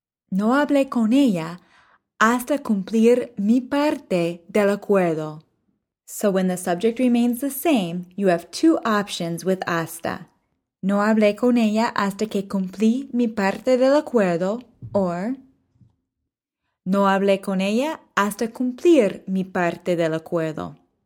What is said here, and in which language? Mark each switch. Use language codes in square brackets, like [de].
[es] No hablé con ella hasta cumplir mi parte del acuerdo. [en] So when the subject remains the same, you have two options with hasta. [es] No hablé con ella hasta que cumplí mi parte del acuerdo, or no hablé con ella hasta cumplir mi parte del acuerdo.